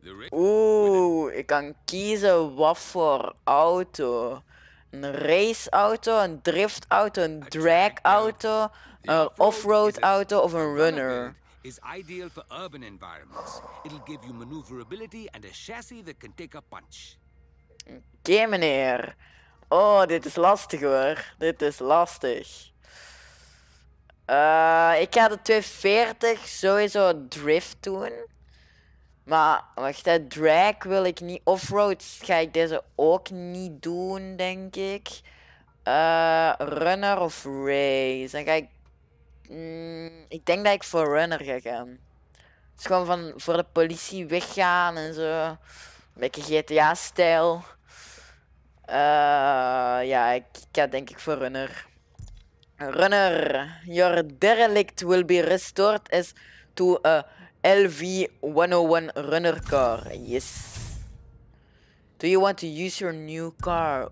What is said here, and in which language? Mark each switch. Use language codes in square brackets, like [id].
[nl] Oeh, ik kan kiezen wat voor auto. Een raceauto, een driftauto, een dragauto, een offroad auto of een runner. [en] Is ideal for urban environments. It'll give you maneuverability and a chassis that can take a punch. [nl] Oké, meneer. Oh, dit is lastig hoor. Dit is lastig. Ik ga de 240 sowieso drift doen. Maar wacht, hè, drag wil ik niet. Offroad ga ik deze ook niet doen, denk ik. Runner of race? Dan ga ik. Ik denk dat ik voor runner ga gaan. Het is gewoon van voor de politie weggaan en zo. Een beetje GTA-stijl. Ik ga denk ik voor runner. [en] Runner, your derelict will be restored as to a LV101 runner car. Yes. Do you want to use your new car?